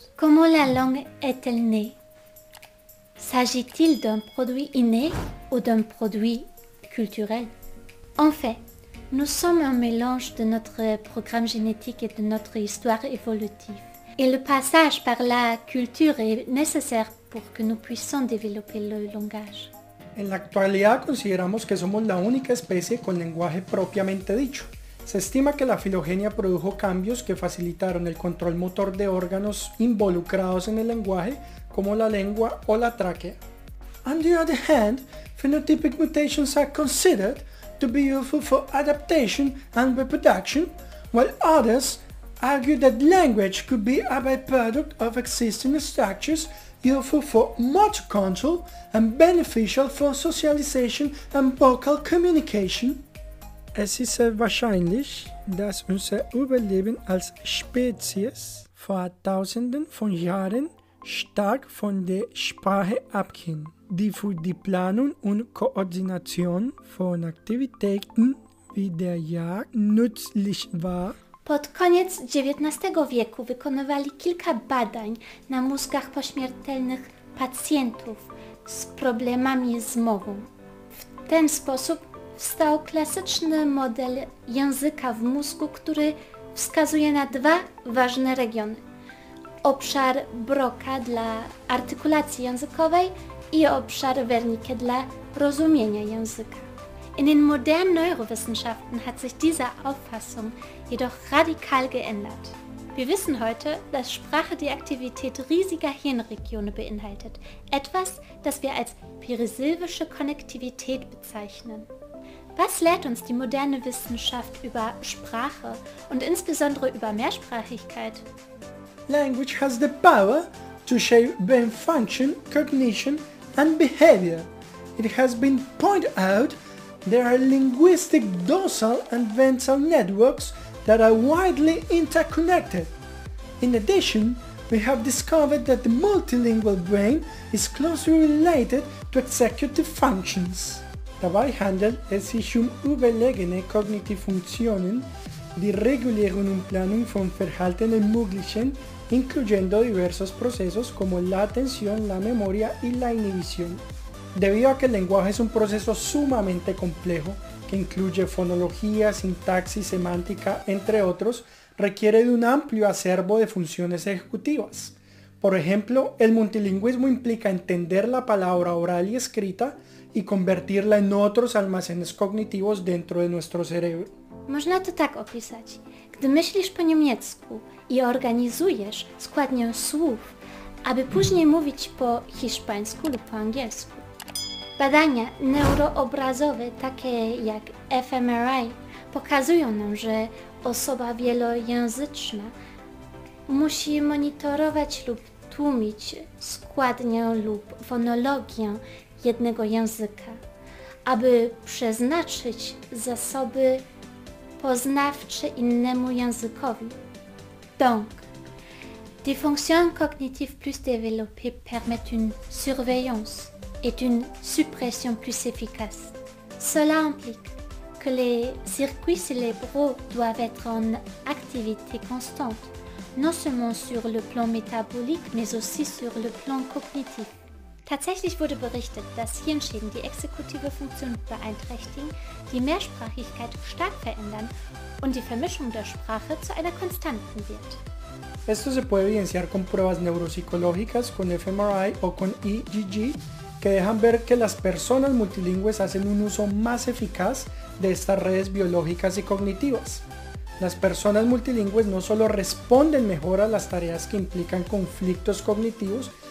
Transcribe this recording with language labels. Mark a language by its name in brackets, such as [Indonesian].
[French] Comment la langue est-elle née? S'agit-il d'un produit inné ou d'un produit culturel? En fait, nous sommes un mélange de notre programme génétique et de notre histoire évolutive. Et le passage par la culture est nécessaire pour que nous puissions développer le langage. [Spanish] En la actualidad consideramos que somos la única especie con lenguaje propiamente dicho. Se estima que la filogenia produjo cambios que facilitaron el control motor de órganos involucrados en el lenguaje, como la lengua o la tráquea. [English] On the other hand, phenotypic mutations are considered to be useful for adaptation and reproduction, while others argue that language could be a byproduct of existing structures useful for motor control and beneficial for socialization and vocal communication. [German] Es ist sehr wahrscheinlich, dass unser Überleben als Spezies vor Tausenden von Jahren stark von der Sprache abhing, die für die Planung und Koordination von Aktivitäten wie der Jagd nützlich war. [Polish] Pod koniec XIX wieku wykonywali kilka badań na mózgach pośmiertelnych pacjentów z problemami z mową. W ten sposób powstał klasyczny model języka w mózgu, który wskazuje na dwa ważne regiony. Obszar Broca dla artykulacji językowej i obszar Wernicke dla rozumienia języka. [German] In den modernen Neurowissenschaften hat sich diese Auffassung jedoch radikal geändert. Wir wissen heute, dass Sprache die Aktivität riesiger Hirnregionen beinhaltet, etwas, das wir als perisilvische Konnektivität bezeichnen. Was lehrt uns die moderne Wissenschaft über Sprache und insbesondere über Mehrsprachigkeit? [English] Language has the power to shape brain function, cognition and behavior. It has been pointed out there are linguistic dorsal and ventral networks that are widely interconnected. In addition, we have discovered that the multilingual brain is closely related to executive functions. [German] Dabei handelt es sich überlegene kognitive Funktionen, die Regulierung und Planung von Verhalten ermöglichen, [Spanish] incluyendo diversos procesos como la atención, la memoria y la inhibición. Debido a que el lenguaje es un proceso sumamente complejo, que incluye fonología, sintaxis, semántica, entre otros, requiere de un amplio acervo de funciones ejecutivas. Por ejemplo, el multilingüismo implica entender la palabra oral y escrita y convertirla en otros almacenes cognitivos dentro de nuestro cerebro. [Polish] Można to tak opisać. Gdy myślisz po niemiecku i organizujesz składnię słów, aby później mówić po hiszpańsku lub po angielsku. Badania neuroobrazowe, takie jak fMRI, pokazują nam, że osoba wielojęzyczna musi monitorować lub tłumić składnię lub fonologię jednego języka, aby przeznaczyć zasoby poznawcze innemu językowi. [French] Donc, des fonctions cognitives plus développées permettent une surveillance et une suppression plus efficace. Cela implique que les circuits cérébraux doivent être en activité constante, non seulement sur le plan métabolique, mais aussi sur le plan cognitif. [German] Tatsächlich wurde berichtet, dass Hirnschäden die exekutive Funktion beeinträchtigen, die Mehrsprachigkeit stark verändern und die Vermischung der Sprache zu einer Konstanten wird. [Spanish] Esto se puede evidenciar con pruebas neuropsicológicas, con fMRI o con EEG, que dejan ver que las personas multilingües hacen un uso más eficaz de estas redes biológicas y cognitivas. Las personas multilingües no solo responden mejor a las tareas que implican conflictos cognitivos,